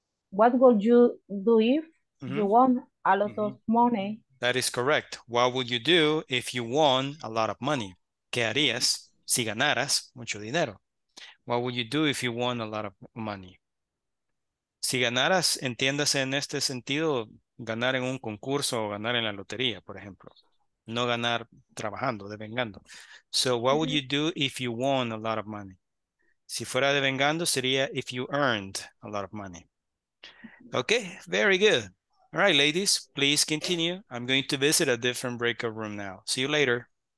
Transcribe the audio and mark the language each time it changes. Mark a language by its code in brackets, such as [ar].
[en] What would you do if you won a lot of money? That is correct. What would you do if you won a lot of money? [es] ¿Qué harías si ganaras mucho dinero? [en] What would you do if you won a lot of money? [es] Si ganaras, entiéndase en este sentido, ganar en un concurso o ganar en la lotería, por ejemplo. No ganar trabajando, devengando. [en] So what would you do if you won a lot of money? [es] Si fuera devengando, sería [en] if you earned a lot of money. Okay, very good. All right, ladies, please continue. I'm going to visit a different breakout room now. See you later.